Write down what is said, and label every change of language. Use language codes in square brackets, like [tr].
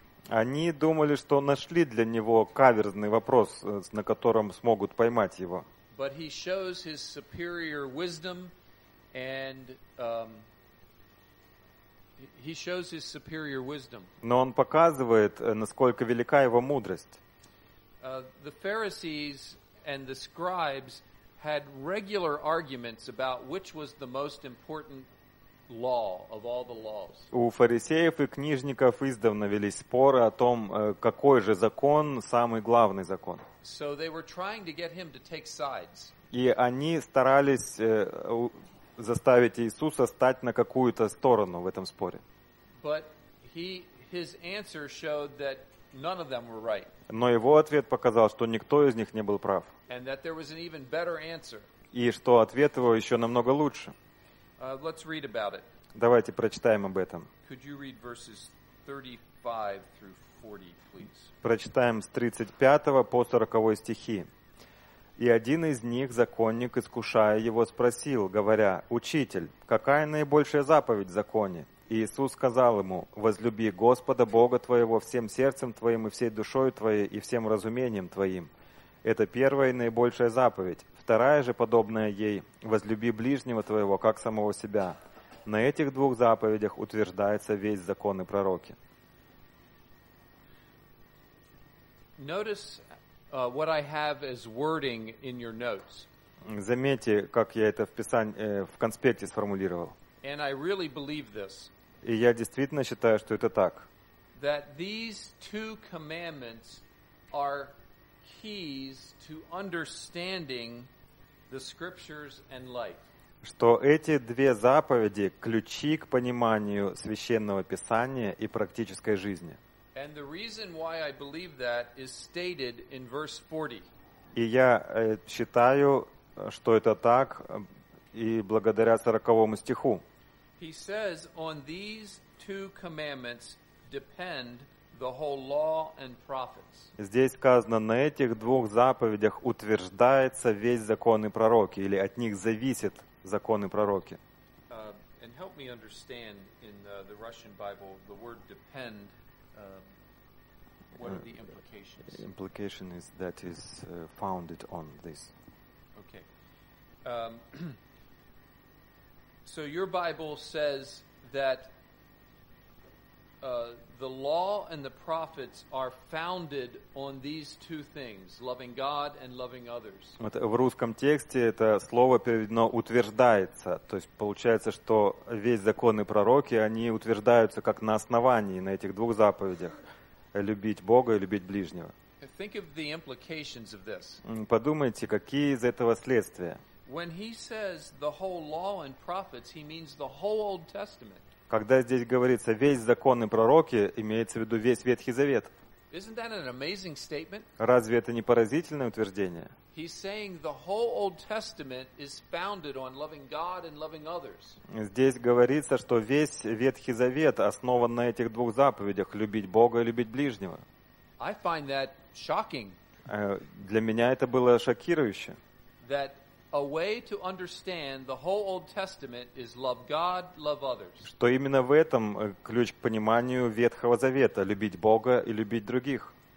[ru] Они думали, что нашли для него каверзный вопрос, на котором смогут поймать его. [en] But he shows his superior wisdom and he shows his superior wisdom. [ru] Но он показывает, насколько велика его мудрость. [en] The Pharisees and the scribes had regular arguments about which was the most important law of all the laws. [ru] У фарисеев и книжников издавна велись споры о том, какой же закон самый главный закон. [en] So they were trying to get him to take sides. [ru] И они старались заставить Иисуса стать на какую-то сторону в этом споре. [en] But his answer showed that none of them were right. [ru] Но его ответ показал, что никто из них не был прав. [en] And that there was an even better answer. [ru] И что ответ его ещё намного лучше. [en] Let's read about it. [ru] Давайте прочитаем об этом. [en] Could you read verses 35 through 40, please? [ru] Прочитаем с 35 по 40 стихи. И один из них, законник, искушая его, спросил, говоря: «Учитель, какая наибольшая заповедь в законе?» И Иисус сказал ему: «Возлюби Господа Бога твоего всем сердцем твоим и всей душой твоей и всем разумением твоим. Это первая и наибольшая заповедь. Вторая же, подобная ей, возлюби ближнего твоего, как самого себя. На этих двух заповедях утверждается весь закон и пророки». [en] Notice, what I have as wording in your notes. [ru] Заметьте, как я это в конспекте сформулировал. [en] And I really believe this. [ru] И я действительно считаю, что это так. [en] That these two commandments are keys to understanding the scriptures and life. [ru] Что эти две заповеди ключи к пониманию священного писания и практической жизни. [en] And the reason why I believe that is stated in verse 40. [ru] И я считаю, что это так, и благодаря 40-му стиху. [en] He says, on these two commandments depend the whole law and prophets. [ru] Здесь сказано, на этих двух заповедях утверждается весь закон и пророки, или от них зависит закон и пророки. [en] And help me understand in the Russian Bible the word depend. What are the implications? Implication is that is founded on this. Okay. So your Bible says that the law and the prophets are founded on these two things, loving God and loving others. [ru] Вот в русском тексте это слово переведено утверждается, то есть получается, что весь закон и пророки, они утверждаются как на основании на этих двух заповедях: любить Бога и любить ближнего. [en] Think of the implications of this. [ru] Подумайте, какие из этого следствия. [en] When he says the whole law and prophets, he means the whole Old Testament. [ru] Когда здесь говорится весь закон и пророки, имеется в виду весь Ветхий Завет. [en] Isn't that an amazing statement? [ru] Разве это не поразительное утверждение? [en] He's saying the whole Old Testament is founded on loving God and loving others. [ru] Здесь говорится, что весь Ветхий Завет основан на этих двух заповедях: любить Бога и любить ближнего. [en] I find that shocking. [ru] Для меня это было шокирующе. [en] That a way to understand the whole Old Testament is love God, love others. [ru] Что именно в этом ключ к пониманию Ветхого Завета: любить Бога и любить других.